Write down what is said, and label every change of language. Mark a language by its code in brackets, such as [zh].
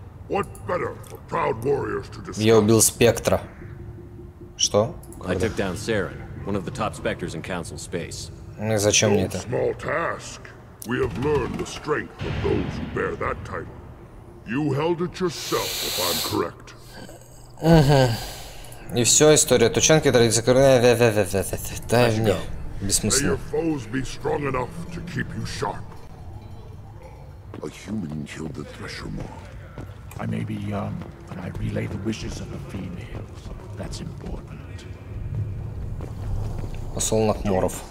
[en] What better for proud warriors to discuss? [ru] Я убил Спектра. Что? [en] I took down Saren, one of the top Spectres in Council Space. [ru] Ну, зачем мне это? [en] Small task. We have learned the strength of those who bear that title. You held it yourself, if I'm correct. [ru] И все, история Тученки, традиция... Дай мне. Бессмысленно. [en] May your foes be strong enough to keep you sharp. A human killed the Threshermore. I may be young, but I relay the wishes of a female. That's important. [ru] Посол Нахморов.